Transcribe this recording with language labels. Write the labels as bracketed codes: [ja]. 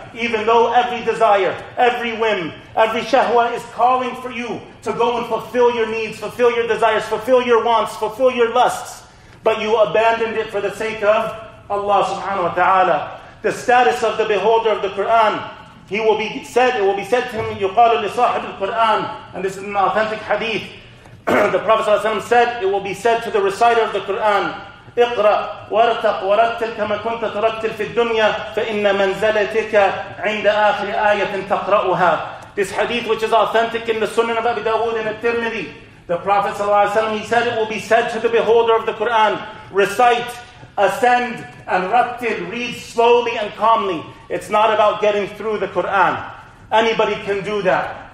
[en] Even though every desire, every whim, every shahwa is calling for you to go and fulfill your needs, fulfill your desires, fulfill your wants, fulfill your lusts, but you abandoned it for the sake of Allah subhanahu wa ta'ala. The status of the beholder of the Quran, it will be said to him, [ar] يُقَالُ لِصَاحِبِ الْقُرْآنِ, [en] and this is an authentic hadith. The Prophet ﷺ said, it will be said to the reciter of the Quran, [ar] اقرأ وارتق ورتل كما كنت ترتل في الدنيا فإن منزلتك عند آخر آية تقرأها. [en] This hadith, which is authentic in the Sunan of Abi Dawood and At-Tirmidhi, the Prophet ﷺ, he said, it will be said to the beholder of the Quran, recite, ascend, and ratil, read slowly and calmly. It's not about getting through the Quran. Anybody can do that.